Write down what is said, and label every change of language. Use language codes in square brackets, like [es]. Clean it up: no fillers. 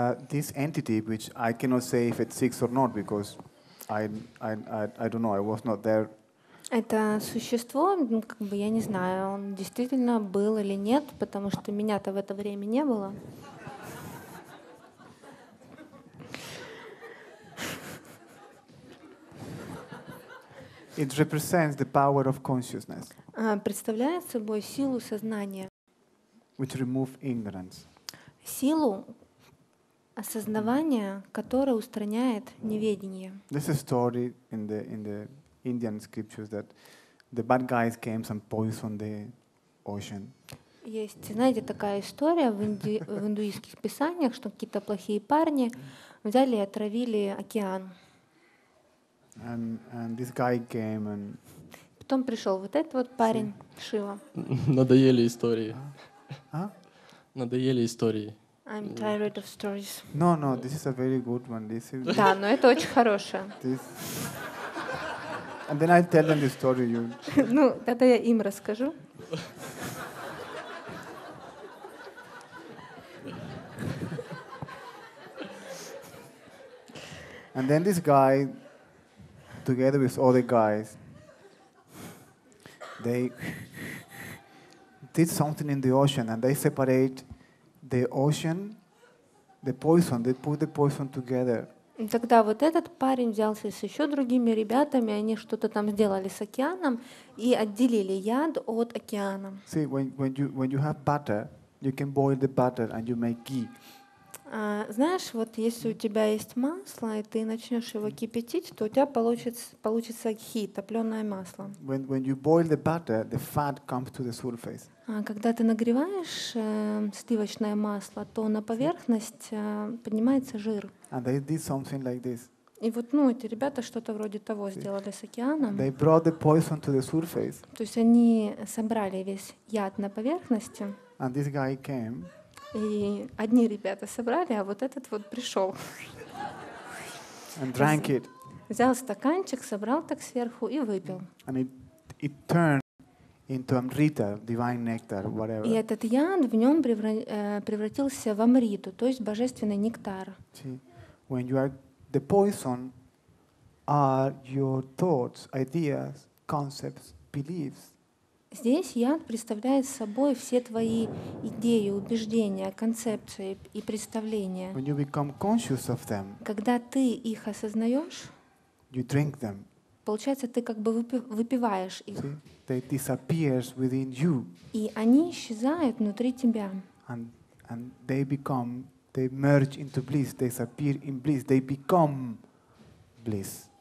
[en] This entity, which I cannot say if it's six or not, because I don't know. I was not there. [ru] Это существо, как бы я не знаю, он действительно был или нет, потому что меня-то в это время не было. [en] It represents the power of consciousness. [ru] Представляет собой силу сознания. [en] Which remove ignorance. [ru] силу осознавания, которое устраняет неведение. [en] This is a story in the Indian scriptures that the bad guys came and poisoned the ocean. [ru] Есть, знаете, такая история в индуистских писаниях, что какие-то плохие парни взяли и отравили океан. [en] And this guy came and [ru] потом пришел вот этот вот парень, [en] see? [ru] Шива. Надоели истории. А? Надоели истории. [en] I'm tired of stories. No, this is a very good one. This is. [ru] Да, но это очень хорошая. [en] This. And then I tell them the story. You. [ru] Ну, тогда я им расскажу. [en] And then this guy, together with other guys, they did something in the ocean, and they separate the ocean, the poison. They put the poison together. [ru] Тогда вот этот парень взялся с еще другими ребятами, они что-то там сделали с океаном и отделили яд от океана. [en] See, when you have butter, you can boil the butter and you make ghee. [ru] Знаешь, вот если у тебя есть масло, и ты начнешь его кипятить, то у тебя получится ghee, топленое масло. [en] When you boil the butter, the fat comes to the surface. [ru] Когда ты нагреваешь сливочное масло, то на поверхность поднимается жир. [en] And they did something like this. [ru] И вот, ну, эти ребята что-то вроде того сделали с океаном. [en] They brought the poison to the surface. [ru] То есть они собрали весь яд на поверхности. [en] And this guy came. [ru] И одни ребята собрали, а вот этот вот пришел. [en] And drank it. [ru] Взял стаканчик, собрал так сверху и выпил. [en] And it turned into amrita, divine nectar, whatever. [ru] И этот яд в нем превратился в амриту, то есть божественный нектар. [en] See, when you are the poison, are your thoughts, ideas, concepts, beliefs. [ru] Здесь яд представляет собой все твои идеи, убеждения, концепции и представления. [en] When you become conscious of them, [ru] когда ты их осознаешь, [en] you drink them. [ru] Получается, ты как бы выпиваешь их. [en] See? They disappear within you. [ru] И они исчезают внутри тебя. [en] And they become, they merge into bliss, they disappear in bliss, they become bliss.